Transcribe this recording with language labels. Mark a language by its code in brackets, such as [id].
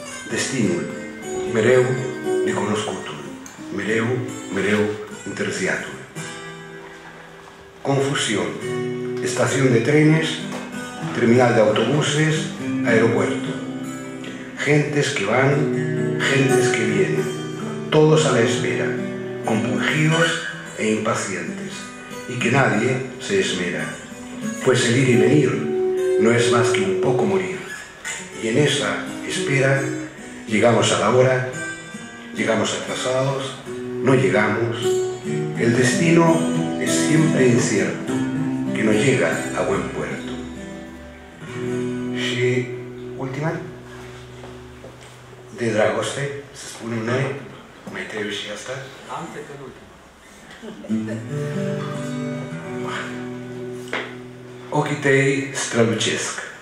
[ro] Destinul, mereu necunoscutul, mereu, mereu întârziatul. [es] Confusion, estación de trenes, terminal de autobuses, aeropuerto. Gentes que van, gentes que vienen, todos a la espera, compungidos e impacientes, y que nadie se esmera, pues el ir y venir no es más que un poco morir, y en esa espera llegamos a la hora, llegamos atrasados, no llegamos, el destino es siempre incierto, que no llega a buen puerto. [ro] Și ultima, de dragoste, se spune noi, mai trebuie și asta. Ante pe ultima. Ochii tăi strălucesc.